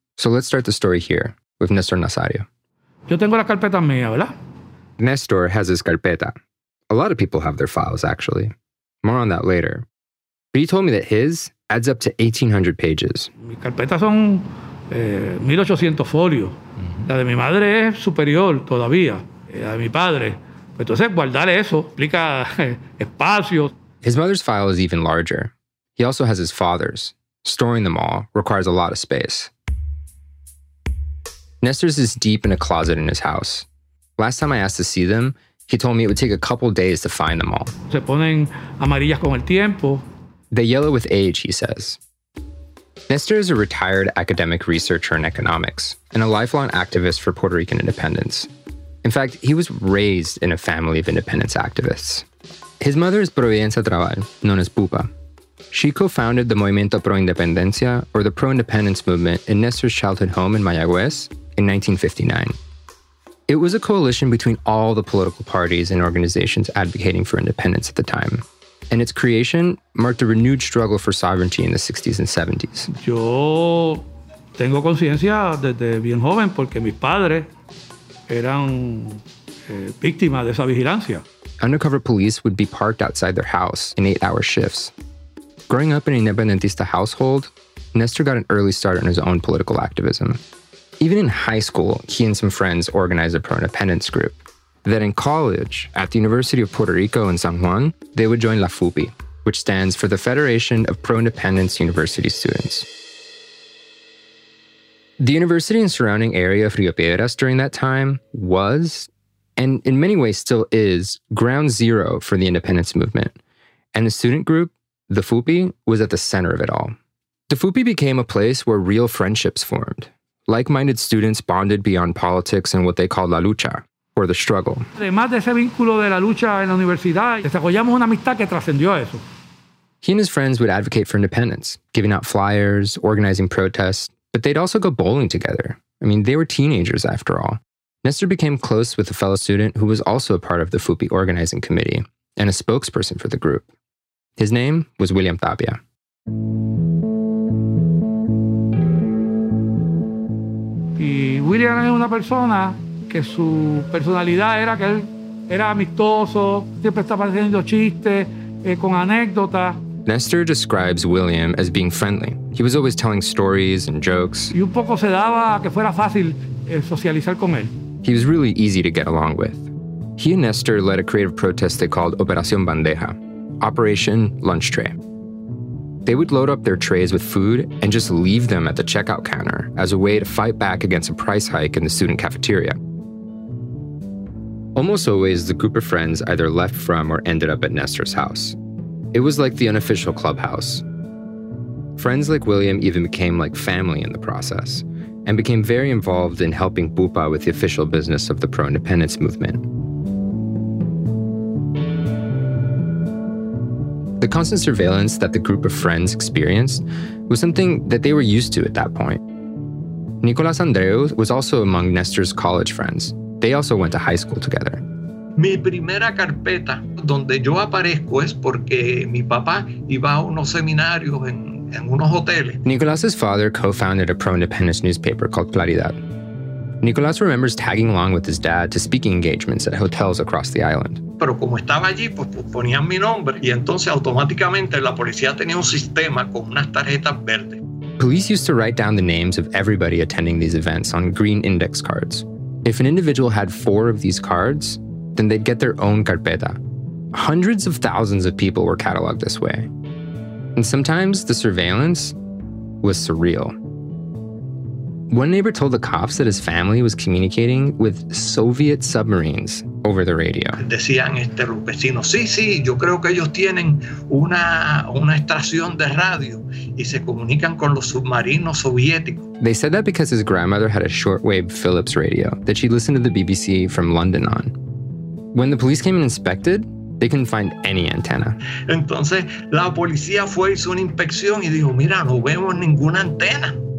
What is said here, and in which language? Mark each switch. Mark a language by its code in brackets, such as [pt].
[en] So let's start the story here with Néstor Nazario. [es] Yo tengo las carpetas mías, ¿verdad? [en] Néstor has his carpeta. A lot of people have their files, actually. More on that later. But he told me that his adds up to 1,800 pages. [es] Mis carpetas son 1,800 folios. Mm-hmm. La de mi madre es superior todavía, la de mi padre. Entonces, guardar eso implica espacio. [en] His mother's file is even larger. He also has his father's. Storing them all requires a lot of space. Néstor's is deep in a closet in his house. Last time I asked to see them, he told me it would take a couple days to find them all. [es] Se ponen amarillas con el tiempo. [en] They yellow with age, he says. Néstor is a retired academic researcher in economics and a lifelong activist for Puerto Rican independence. In fact, he was raised in a family of independence activists. His mother is Providencia Trabal, known as Pupa. She co-founded the Movimiento Pro Independencia, or the pro-independence movement, in Néstor's childhood home in Mayagüez in 1959. It was a coalition between all the political parties and organizations advocating for independence at the time. And its creation marked a renewed struggle for sovereignty in the 60s and 70s. [es] Yo tengo conciencia desde bien joven porque mis padres eran víctimas de esa vigilancia. [en] Undercover police would be parked outside their house in eight-hour shifts. Growing up in an independentista household, Néstor got an early start on his own political activism. Even in high school, he and some friends organized a pro-independence group. Then in college, at the University of Puerto Rico in San Juan, they would join La FUPI, which stands for the Federation of Pro-Independence University Students. The university and surrounding area of Río Piedras during that time was, and in many ways still is, ground zero for the independence movement. And the student group, the FUPI, was at the center of it all. The FUPI became a place where real friendships formed. Like-minded students bonded beyond politics and what they called la lucha, or the struggle. [es] Además de ese vínculo de la lucha en la universidad, desarrollamos una amistad que trascendió eso. [en] He and his friends would advocate for independence, giving out flyers, organizing protests, but they'd also go bowling together. I mean, they were teenagers after all. Néstor became close with a fellow student who was also a part of the FUPI organizing committee and a spokesperson for the group. His name was William Tapia. [es] William es una persona que su personalidad era que él era amistoso, siempre estaba haciendo chistes, con anécdotas. [en] Néstor describes William as being friendly. He was always telling stories and jokes. [es] Y un poco se daba que fuera fácil socializar con él. [en] He was really easy to get along with. He and Néstor led a creative protest they called Operación Bandeja, Operation Lunch Tray. They would load up their trays with food and just leave them at the checkout counter as a way to fight back against a price hike in the student cafeteria. Almost always, the group of friends either left from or ended up at Néstor's house. It was like the unofficial clubhouse. Friends like William even became like family in the process and became very involved in helping Pupa with the official business of the pro-independence movement. The constant surveillance that the group of friends experienced was something that they were used to at that point. Nicolás Andreu was also among Néstor's college friends. They also went to high school together. [es] Mi primera carpeta donde yo aparezco es porque mi papá iba a unos seminarios en unos hoteles. [en] Nicolás's father co-founded a pro-independence newspaper called Claridad. Nicolás remembers tagging along with his dad to speaking engagements at hotels across the island. [es] Pero como estaba allí, pues ponían mi nombre y entonces automáticamente la policía tenía un sistema con unas tarjetas verdes. [en] Police used to write down the names of everybody attending these events on green index cards. If an individual had four of these cards, then they'd get their own carpeta. Hundreds of thousands of people were cataloged this way. And sometimes the surveillance was surreal. One neighbor told the cops that his family was communicating with Soviet submarines over the radio. [es] Decían este vecino, sí, sí, yo creo que ellos tienen una estación de radio y se comunican con los submarinos soviéticos. [en] They said that because his grandmother had a shortwave Philips radio that she listened to the BBC from London on. When the police came and inspected, they couldn't find any antenna. [es] Entonces, la policía fue, hizo una inspección y dijo, mira, no vemos ninguna antena.